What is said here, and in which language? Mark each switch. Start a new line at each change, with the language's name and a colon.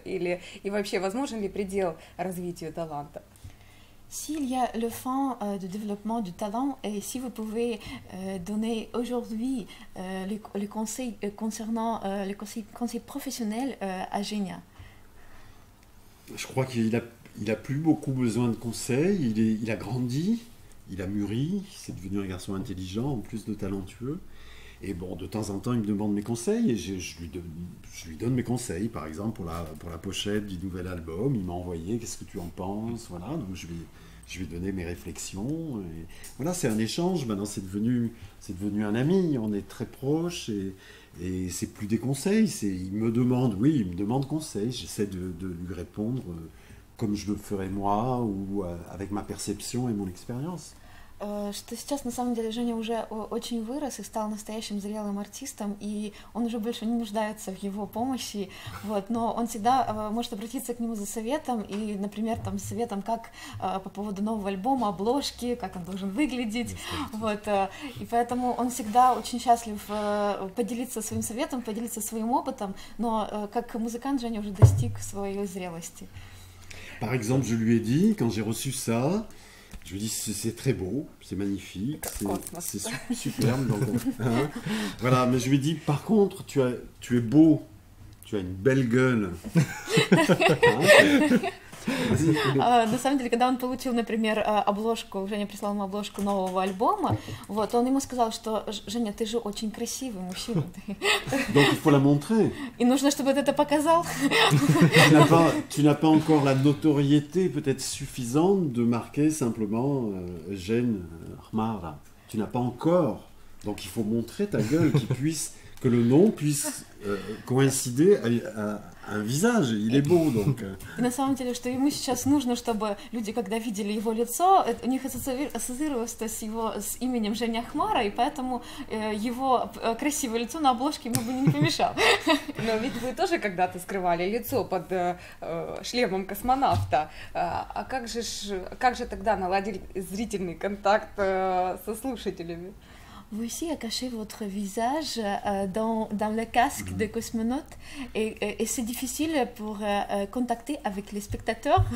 Russian: Или, и вообще, возможен ли предел развитию таланта?
French: S'il y a le fin de développement du talent, et si vous pouvez donner aujourd'hui les conseils concernant les conseils professionnels à Genia. Je crois qu'il a plus beaucoup besoin de conseils. Il a grandi, il a mûri, c'est devenu un garçon intelligent, en plus de talentueux. Et bon, de temps en temps, il me demande mes conseils et je lui donne mes conseils. Par exemple, pour la pochette du nouvel album, il m'a envoyé « Qu'est-ce que tu en penses ?» Voilà, donc je lui ai donné mes réflexions. Et voilà, c'est un échange. Maintenant, c'est devenu un ami. On est très proches et c'est plus des conseils. Il me demande conseils. J'essaie de lui répondre comme je le ferais moi ou avec ma perception et mon expérience.
Russian: Что сейчас на самом деле Женя уже очень вырос и стал настоящим зрелым артистом, и он уже больше не нуждается в его помощи, вот, но он всегда может обратиться к нему за советом, и, например, там, советом, как по поводу нового альбома, обложки, как он должен выглядеть, вот, и поэтому он всегда очень счастлив поделиться своим советом, поделиться своим опытом, но как музыкант Женя уже достиг своей зрелости.
French: Par exemple, je lui ai dit, quand j'ai reçu ça, je lui dis, c'est très beau, c'est magnifique, c'est superbe. Donc, hein, voilà, mais je lui dis, par contre, tu es beau, tu as une belle gueule.
Russian: На самом деле, когда он получил, например, обложку, Женя прислал ему обложку нового альбома, вот, он ему сказал, что Женя, ты же очень красивый мужчина.
French: Donc il faut la montrer.
Russian: И нужно, чтобы ты это показал.
French: Tu n'as pas encore la notoriété peut-être suffisante de marquer simplement Jeanne Hmar. Tu n'as pas encore. Donc il faut montrer ta gueule, que le nom puisse coïncider à un visage, il est beau donc.
Russian: Et на самом деле, что ему сейчас нужно, чтобы люди, когда видели его лицо, у них ассоциировалось с его с именем Женя Хмара, и поэтому его красивое лицо на обложке ему бы не помешало. Но ведь вы тоже когда-то скрывали лицо под шлемом космонавта. А как же тогда наладили зрительный контакт со слушателями?
French: vous aussi à cacher votre visage dans le casque de cosmonaute et c'est difficile pour contacter avec les spectateurs.